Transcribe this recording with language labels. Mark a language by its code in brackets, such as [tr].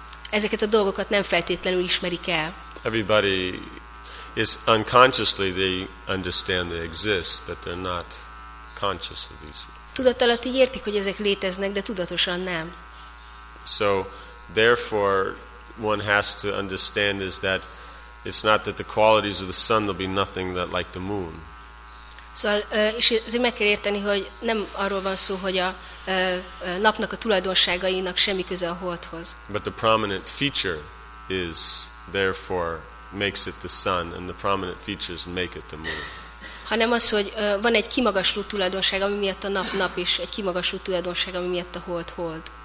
[hu] Ezeket a dolgokat nem feltétlenül ismerik el. [en] Everybody is unconsciously they understand they exist, but they're not conscious of these. [hu] Tudatalatt így értik, hogy ezek léteznek, de tudatosan nem. [en] So therefore one has to understand is that it's not that the qualities of the sun will be nothing that like the moon. [hu] Szóval, és ezért meg kell érteni, hogy nem arról van szó, hogy a napnak a tulajdonságainak semmi köze a holdhoz. [en] But the prominent feature is therefore makes it the sun, and the prominent features make it the moon. [hu] Hanem az, hogy van egy kimagasló tulajdonság, ami miatt a nap nap, és egy kimagasló tulajdonság, ami miatt a hold hold.